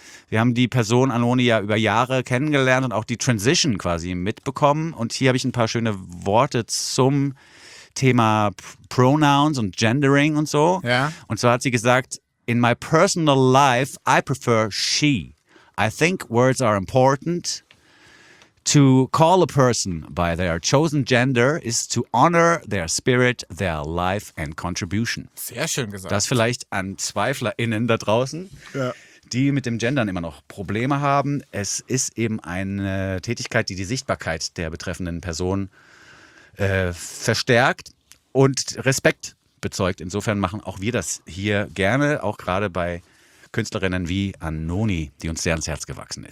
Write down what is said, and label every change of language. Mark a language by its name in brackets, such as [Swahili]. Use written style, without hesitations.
[German] Wir haben die Person Anoni ja über Jahre kennengelernt und auch die Transition quasi mitbekommen. Und hier habe ich ein paar schöne Worte zum Thema Pronouns und Gendering und so. Ja. Und zwar hat sie gesagt, [English] in my personal life, I prefer she. I think words are important. To call a person by their chosen gender is to honor their spirit, their life and contribution. [German] Sehr schön gesagt. Das vielleicht an ZweiflerInnen da draußen. Ja. Die mit dem Gendern immer noch Probleme haben. Es ist eben eine Tätigkeit, die die Sichtbarkeit der betreffenden Person verstärkt und Respekt bezeugt. Insofern machen auch wir das hier gerne, auch gerade bei Künstlerinnen wie Anoni, die uns sehr ans Herz gewachsen ist.